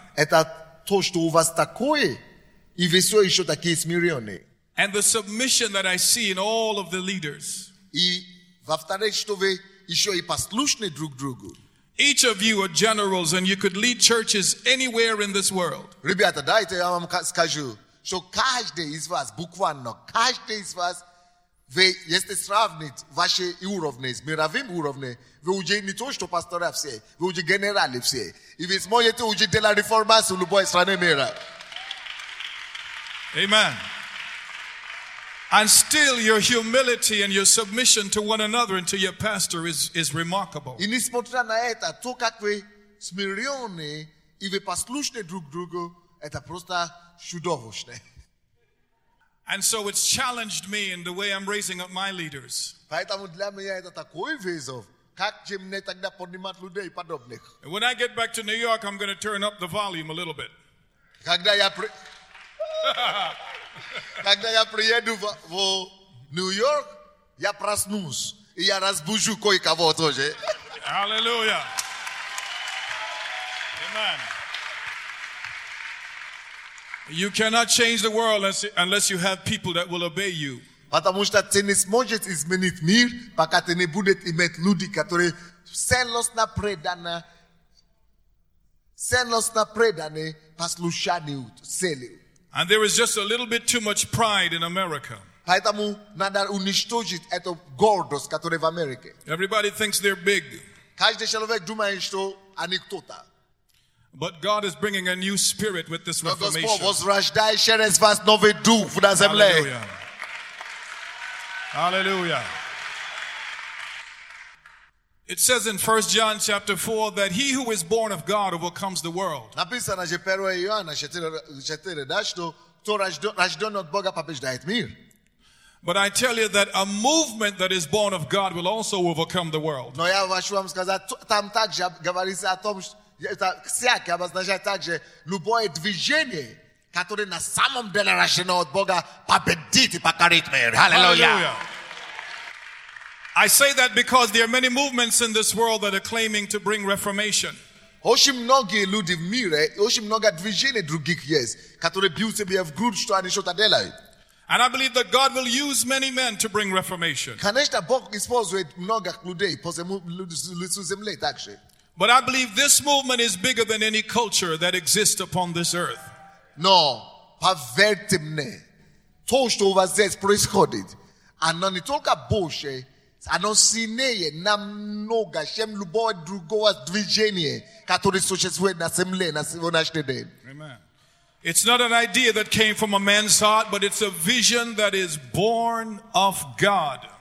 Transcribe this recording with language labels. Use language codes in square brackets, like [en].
[en] And the submission that I see in all of the leaders. Each of you are generals and you could lead churches anywhere in this world. [ru] Ребята, дайте я вам скажу. Что каждый из вас, буквально, каждый из вас, вы, если сравнить ваши уровни с мировым уровнем, вы уже не то, что пасторы все, вы уже генералы все. И вы сможете уже делать реформацию в любой стране мира. [en] Amen. And still your humility and your submission to one another and to your pastor is remarkable. [ru] И несмотря на это, то, как вы смиренны и вы послушны друг другу, это просто чудовищно. [en] And so it's challenged me in the way I'm raising up my leaders. [ru] Поэтому для меня это такой вызов, как же мне тогда поднимать людей подобных. [en] And when I get back to New York, I'm going to turn up the volume a little bit. [ru] Когда я приеду в Нью-Йорк, я проснусь и я разбужу кое-кого тоже. [en] Hallelujah. Amen. You cannot change the world unless you have people that will obey you. [ru] Потому что ты не сможешь изменить мир, пока ты не будешь иметь людей, которые целостно преданы послушанию целью. [en] And there is just a little bit too much pride in America. [ru] Поэтому надо уничтожить эту гордость, которая в Америке. [en] Everybody thinks they're big. [ru] Каждый человек думает, что они кто-то. [en] But God is bringing a new spirit with this reformation. [ru] Господь возрождает через вас новый дух в этой земле. [en] Hallelujah. It says in 1 John chapter 4 that he who is born of God overcomes the world. [ru] Написано же 1 Иоанна 4:4, что кто рожден от Бога побеждает мир. [en] But I tell you that a movement that is born of God will also overcome the world. [ru] Но я хочу вам сказать, там также говорится о том, что это всякое обозначает также любое движение, которое на самом деле рождено от Бога, победит и покорит мир. Аллилуйя. [en] I say that because there are many movements in this world that are claiming to bring reformation. [ru] Очень многие люди в мире, очень много движений других есть, которые бьют себя в грудь, что они что-то делают. [en] And I believe that God will use many men to bring reformation. [ru] Конечно, Бог использует много людей, после земли также. [en] But I believe this movement is bigger than any culture that exists upon this earth. [ru] No, поверьте мне, то, что у вас здесь происходит, оно не только больше Оносинее нам много, чем любого другого движения, которое существует на земле на сегодняшний день. [en] Amen. It's not an idea that came from a man's heart, but it's a vision that is born of God.